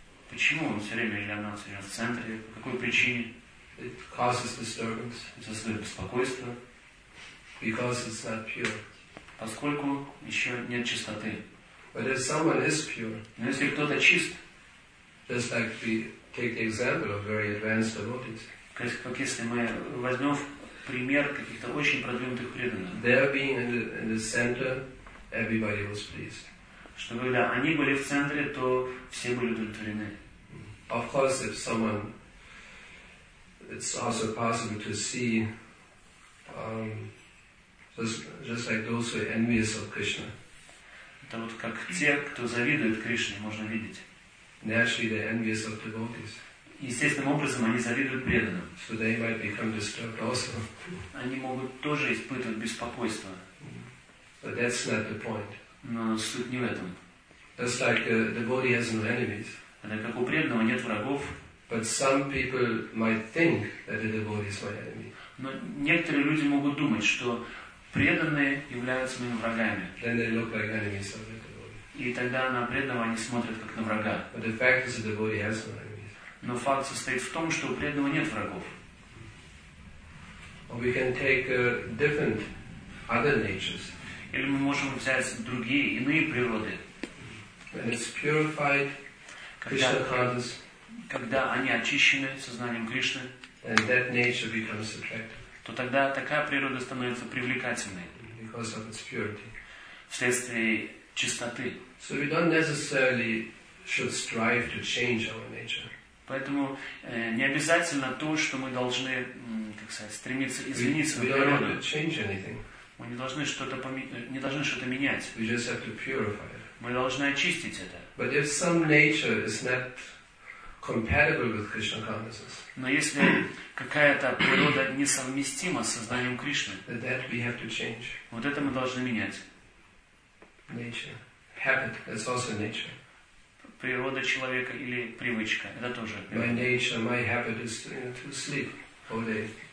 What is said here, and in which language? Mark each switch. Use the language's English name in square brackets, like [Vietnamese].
[Russian] Почему он все время или она все время в центре? По какой причине? [English] It causes disturbance. [Russian] Это создает беспокойство. [English] Because it's not pure. [Russian] Поскольку еще нет чистоты. [English] But if someone is pure, [Russian] но если кто-то чист, [English] just like we take the example of very advanced devotees. [Russian] Как если мы возьмем пример каких-то очень продвинутых преданных. [English] There being in the center, everybody was pleased. [Russian] что когда они были в центре, то все были удовлетворены. [English] Of course, if someone, it's also possible to see, just like those who are envious of Krishna. [Russian] Это вот как те, кто завидует Кришне, можно видеть. [English] Naturally, they're envious of devotees. [Russian] Естественным образом они завидуют преданным. [English] So they might become disturbed also. [Russian] Они могут тоже испытывать беспокойство. [English] But that's not the point. [Russian] Но суть не в этом. [English] Just like a devotee has no enemies. [Russian] Это как у преданного нет врагов. [English] But some people might think that a devotee is my enemy. [Russian] Но некоторые люди могут думать, что преданные являются моими врагами. [English] Then they look like enemies of the devotee. [Russian] И тогда на преданного они смотрят как на врага. [English] But the fact is, the devotee has no enemies. [Russian] Но факт состоит в том, что у преданного нет врагов. [English] Or we can take different other natures. [Russian] Или мы можем взять другие иные природы. [English] When it's purified, Krishna consciousness. [Russian] Когда они очищены сознанием Кришны, [English] and that nature becomes attractive. [Russian] То тогда такая природа становится привлекательной. [English] Because of its purity. [Russian] Вследствие чистоты. [English] So we don't necessarily should strive to change our nature. [Russian] Поэтому не обязательно то, что мы должны, как сказать, стремиться изменить свою природу. [English] We don't have to change anything. [Russian] Мы не должны что-то менять. [English] We just have to purify it. [Russian] Мы должны очистить это. [English] But if some nature is not compatible with Krishna consciousness. [Russian] Но если какая-то природа несовместима с сознанием Кришны, [English] that we have to change. [Russian] Вот это мы должны менять. [English] Nature. Habit. That's also nature. [Russian] Природа человека или привычка. Это тоже. [English] My nature, my habit is to sleep all day.